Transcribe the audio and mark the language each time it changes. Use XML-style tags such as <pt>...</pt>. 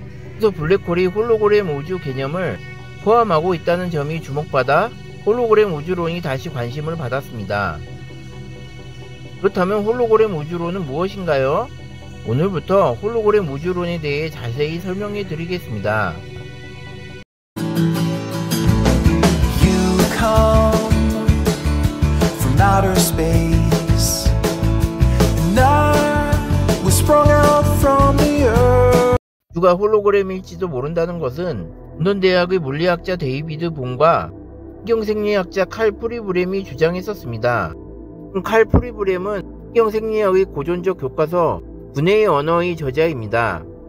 <ko>그래서 블랙홀이 홀로그램 우주 개념을 포함하고 있다는 점이 주목받아 홀로그램 우주론이 다시 관심을 받았습니다. 그렇다면 홀로그램 우주론은 무엇인가요? 오늘부터 홀로그램 우주론에 대해 자세히 설명해 드리겠습니다.</ko> <en>You come from outer space. And I was sprung out from the earth.</en> <ko>누가 홀로그램일지도 모른다는 것은 런던 대학의 물리학자 데이비드 봉과 신경생리학자 칼 프리브렘이 주장했었습니다. 칼 프리브렘은 신경생리학의 고전적 교과서 두뇌의 언어의 저자입니다.</ko>